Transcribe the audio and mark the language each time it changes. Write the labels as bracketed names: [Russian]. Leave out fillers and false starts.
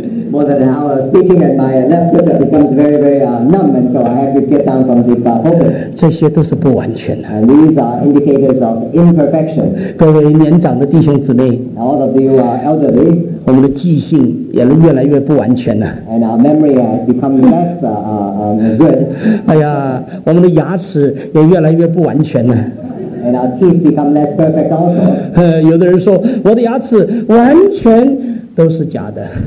[English] More than an hour speaking, and my left foot becomes very numb, and so I have to get down from the pulpit. [Chinese] 这些都是不完全的。 [English] These are indicators of imperfection. [Chinese] 各位年长的弟兄姊妹 [English] ，All of you are elderly. [Chinese] 我们的记性也越来越不完全了。 [English] And our memory has become less good. [Chinese] 哎呀，我们的牙齿也越来越不完全了。 [English] And our teeth become less perfect also. [Chinese] 有的人说我的牙齿完全都是假的。